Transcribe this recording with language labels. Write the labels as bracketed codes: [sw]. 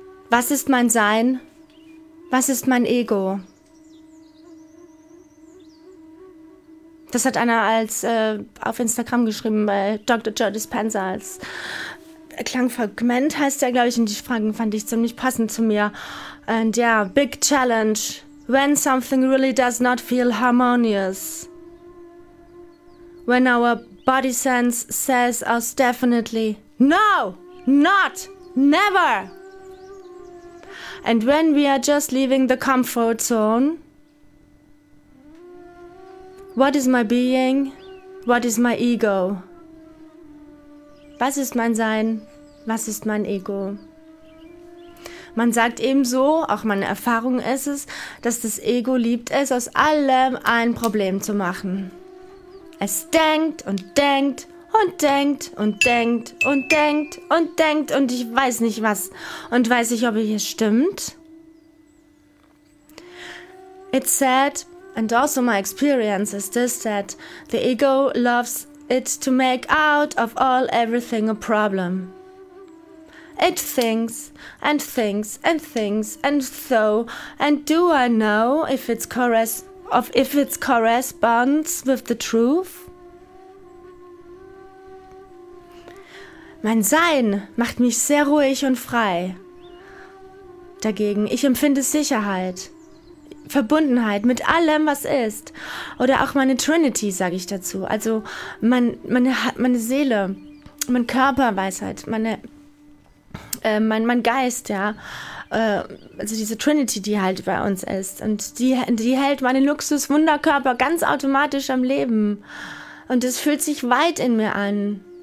[de] Was ist mein Sein? Was ist mein Ego? Das hat einer als auf Instagram geschrieben bei Dr. Joe Dispenza als Klangfragment heißt der, glaube ich, und die Fragen fand ich ziemlich passend zu mir. Und ja, [en] big challenge. When something really does not feel harmonious. When our body sense says us definitely no, not, never. And when we are just leaving the comfort zone, what is my being? What is my ego? [de] Was ist mein Sein? Was ist mein Ego? Man sagt ebenso, auch meine Erfahrung ist es, dass das Ego liebt es, aus allem ein Problem zu machen. Es denkt und denkt und denkt und denkt und denkt und denkt und ich weiß nicht was und weiß nicht, ob es stimmt. [en] It's sad, and also my experience is this, that the ego loves it to make out of all everything a problem. It thinks and thinks and thinks and so, and do I know if it's corresponds with the truth? [de] Mein Sein macht mich sehr ruhig und frei. Dagegen, ich empfinde Sicherheit, Verbundenheit mit allem, was ist. Oder auch meine Trinity, sage ich dazu. Also meine Seele, mein Körper, Weisheit, mein Geist, ja, also diese Trinity, die halt bei uns ist und die hält meinen Luxus-Wunderkörper ganz automatisch am Leben und es fühlt sich weit in mir an